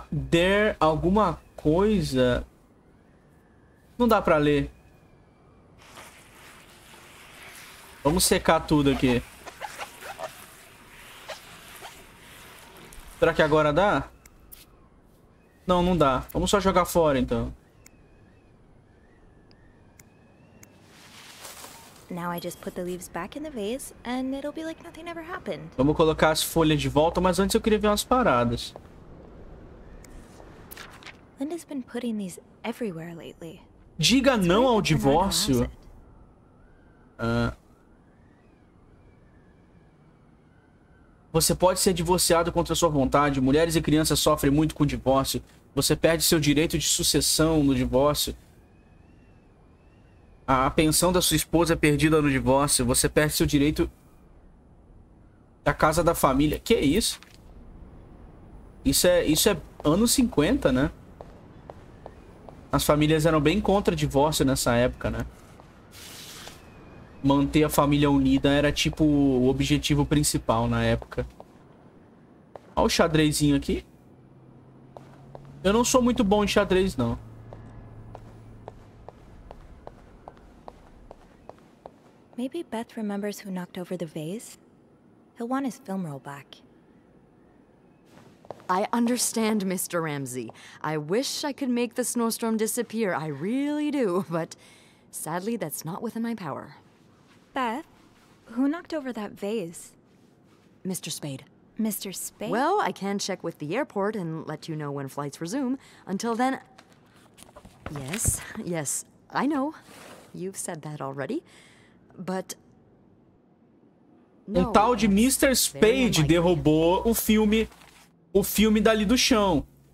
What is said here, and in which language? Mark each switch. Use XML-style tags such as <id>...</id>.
<en>There</en> <pt>alguma coisa? Não dá pra ler. Vamos secar tudo aqui. Será que agora dá? Não, não dá. Vamos só jogar fora, então.</pt> <en>Now I just put the leaves back in the vase and it'll be like nothing ever happened.</en> <pt>Vamos colocar as folhas de volta, mas antes eu queria ver umas paradas.</pt> <en>Linda's been putting these everywhere lately.</en> <pt>Diga não ao divórcio. Você pode ser divorciado contra sua vontade. Mulheres e crianças sofrem muito com o divórcio. Você perde seu direito de sucessão no divórcio. A pensão da sua esposa é perdida no divórcio. Você perde seu direito da casa da família. Que é isso? Isso é anos 50, né? As famílias eram bem contra divórcio nessa época, né? Manter a família unida era tipo o objetivo principal na época. Olha o xadrezinho aqui. Eu não sou muito bom em xadrez, não.</pt> <en>Maybe Beth remembers who knocked over the vase. He'll want his film roll back. I understand, Mr. Ramsey. I wish I could make the snowstorm disappear. I really do, but sadly that's not within my power. Beth, who knocked over that vase? Mr. Spade. Mr. Spade? Well, I can check with the airport and let you know when flights resume. Until then... Yes, yes, I know. You've said that already. But...</en> <pt>No, tal de Mr. Spade derrubou o filme dali do chão.</pt>